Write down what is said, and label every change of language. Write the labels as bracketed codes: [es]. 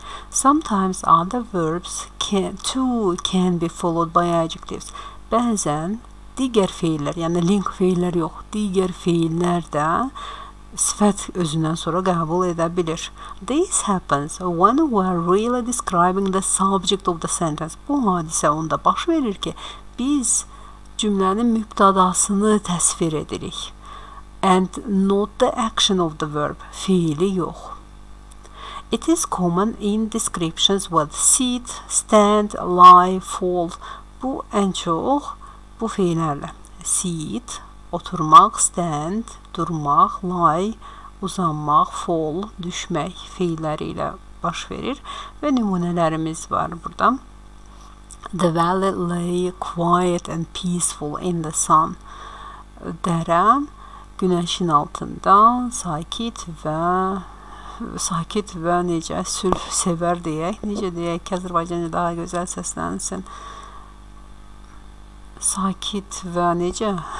[en] Sometimes other verbs can too can be followed by adjectives. [az] Bəzən digər feillər, yəni link feillər yox, digər feillər də sifət özündən sonra qəbul edə bilir. [en] This happens when we are really describing the subject of the sentence. [az] Bu hadisə onda baş verir ki, biz cümlənin mübtadasını təsvir edirik. [en] And not the action of the verb, [az] fiili yox. [en] It is common in descriptions with sit, stand, lie, fall. [az] Bu ən çox bu fiillərlə. Sit, oturmaq, stand, durmaq, lie, uzanmaq, fall, düşmək fiilləri ilə baş verir. Və nümunələrimiz var burada. [en] The valley lay quiet and peaceful in the sun. [az] Dərə günəşin altında sakit və sakit və necə sülh sevər deyək. Necə deyək ki, Azərbaycanca daha gözəl səslənsin. Sakit və necə?